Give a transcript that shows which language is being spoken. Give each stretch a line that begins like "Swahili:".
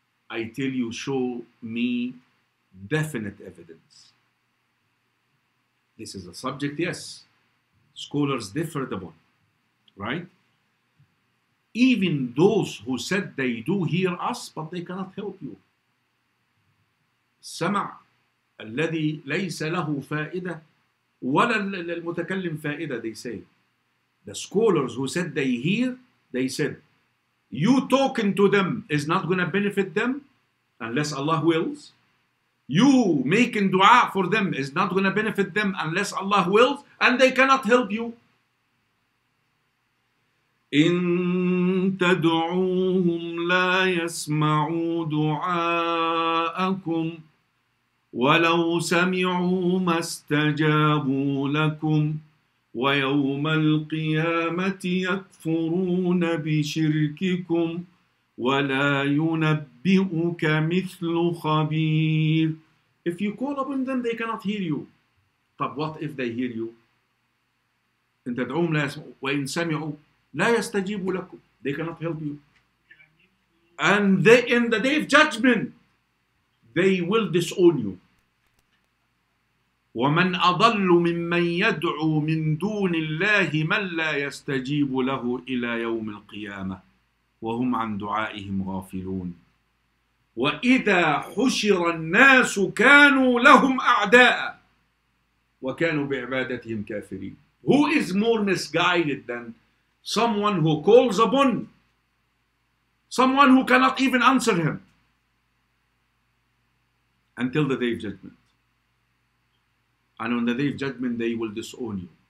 English: I tell you, show me definite evidence. This is a subject, yes. Scholars differed upon, right? Even those who said they do hear us, but they cannot help you.
Arabic: سمع الذي ليس له فائدة ولا المتكلم فائدة,
English: they say. The scholars who said they hear, they said, you talking to them is not going to benefit them unless Allah wills. You making dua for them is not going to benefit them unless Allah wills, and they cannot help you.
Arabic: إِن تَدْعُوهُمْ لَا يَسْمَعُوا دُعَاءَكُمْ وَلَوْ سَمِعُوا مَا اسْتَجَابُوا لَكُمْ ويوم القيامة يكفرون بشرككم ولا ينبئك مثل خبير.
English: If you call upon them, they cannot hear you. طب what if they hear you?
Arabic: أنت دعوهم لا يسمعوا. وإن سمعوا لا يستجيبوا لكم.
English: They cannot help you. And they, in the day of judgment, they will disown you.
Arabic: ومن أضل ممن يدعو من دون الله من لا يستجيب له إلى يوم القيامة وهم عن دعائهم غافلون. وإذا حشر الناس كانوا لهم أعداء وكانوا بعبادتهم كافرين.
English: Who is more misguided than someone who calls upon someone who cannot even answer him until the day of judgment? And on the day of judgment, they will disown you.